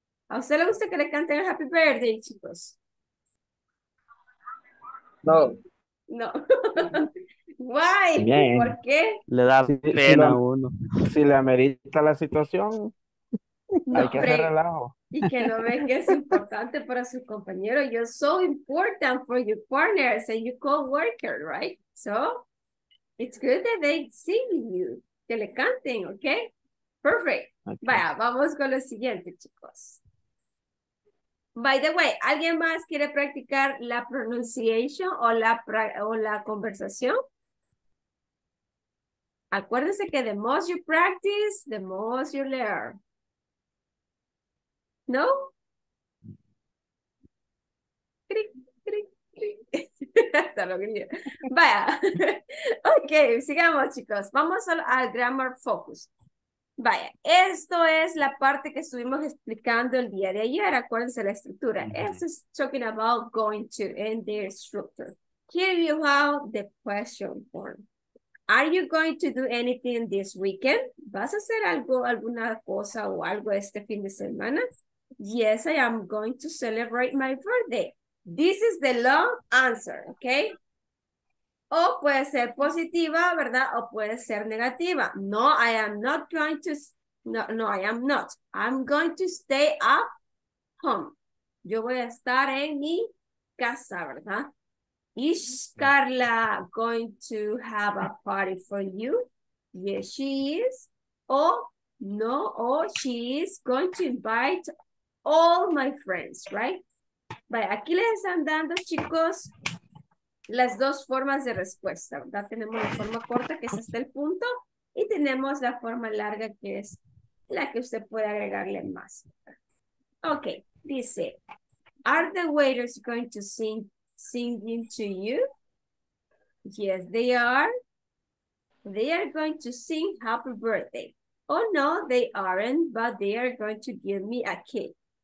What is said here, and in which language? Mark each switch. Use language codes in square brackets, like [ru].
[es] ¿A usted le gusta que le canten el happy birthday, chicos? No. No. Why? Bien. ¿Por qué? Le da pena a uno. Si le amerita la situación, no, hay que hacer relajo. Y que no ven que es importante para sus compañeros. [en] You're so important for your partners and your co-workers, right? So, it's good that they see you. [es] Que le canten, ¿ok? Perfect. Okay. Vaya, vamos con lo siguiente, chicos. By the way, ¿alguien más quiere practicar la pronunciation o la conversación? Acuérdense que [en] the most you practice, the most you learn. [es] ¿No? Cric, cric, cric. Vaya. Ok, sigamos, chicos. Vamos al grammar focus. Vaya, esto es la parte que estuvimos explicando el día de ayer. Acuérdense la estructura. Esto es [en] talking about going to and their structure. Here you have the question form. Are you going to do anything this weekend? [es] ¿Vas a hacer algo, alguna cosa o algo este fin de semana? [en] Yes, I am going to celebrate my birthday. This is the long answer, okay? [es] O puede ser positiva, ¿verdad? O puede ser negativa. [en] No, I am not going to... No, I am not. I'm going to stay at home. [es] Yo voy a estar en mi casa, ¿verdad? [en] Is Carla going to have a party for you? Yes, she is. O no, o she is going to invite all my friends, right? [es] Vaya, aquí les están dando, chicos, las dos formas de respuesta, ¿verdad? Tenemos la forma corta, que es hasta el punto, y tenemos la forma larga, que es la que usted puede agregarle más. [en] Ok, dice, are the waiters going to sing to you? Yes, they are. They are going to sing happy birthday. Oh, no, they aren't, but they are going to give me a cake.